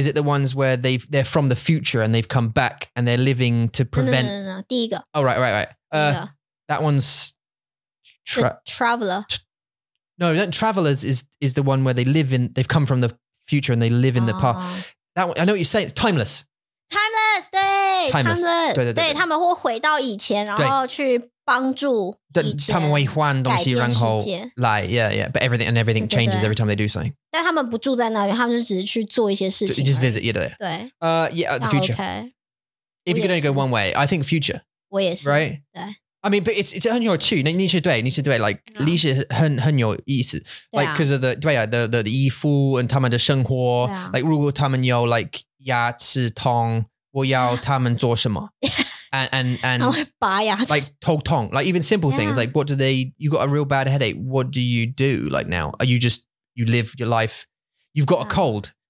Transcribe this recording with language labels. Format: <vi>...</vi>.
<en>is it the ones where they're from the future and they've come back and they're living to prevent?</en> <zh>No. 第一个。</zh> <en>Oh, right.</en> <zh>第一个。</zh> <en>That one's Traveler. No, that Travelers is the one where they've come from the future and they live in the past. That one, I know what you're saying, it's Timeless.</en> <zh>Timeless, 对</zh> <en>Timeless.</en> <zh>对他们会回到以前，然后去。帮助以前他们会换东西然后来</zh> <en>yeah but everything changes</en> <zh>对对对</zh> <en>every time they do something</en> <zh>但他们不住在那里他们就只是去做一些事情</zh> <en>just visit you there</en> <zh>对</zh> <en>yeah the future okay, if you could only go one way I think future</en> <zh>我也是</zh> <en>right</en> <zh>对</zh> <en>I mean but it's</en> <zh>很有趣你是对</zh> <en>like</en> <zh>历史很有意思</zh> <en>like because of the</en> <zh>对啊</zh> <en>the 衣服 and</en> <zh>他们的生活</zh> <en>like</en> <zh>如果他们有</zh> <en>like</en> <zh>牙齿痛我要他们做什么</zh> <en>And like talk tongue, like even simple things, like what do they, you got a real bad headache. What do you do like now? Are you just, you live your life, you've got a cold.</en>